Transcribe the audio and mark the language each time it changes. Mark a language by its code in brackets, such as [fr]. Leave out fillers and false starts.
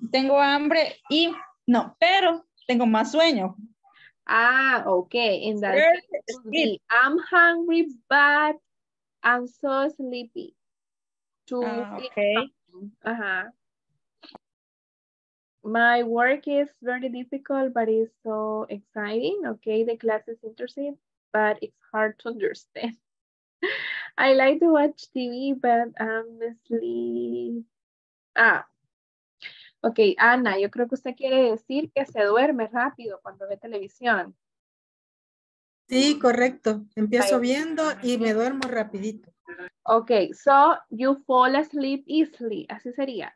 [es] Tengo hambre y no, pero tengo más sueño. [en] Ah, okay. In that case, I'm hungry, but I'm so sleepy. Okay. My work is very difficult, but it's so exciting. Okay, the class is interesting, but it's hard to understand. I like to watch TV, but I'm asleep. [es] Ah, okay, Ana, yo creo que usted quiere decir que se duerme rápido cuando ve televisión. Sí, correcto. Empiezo viendo y me duermo rapidito. [en] Okay, so you fall asleep easily. [es] Así sería.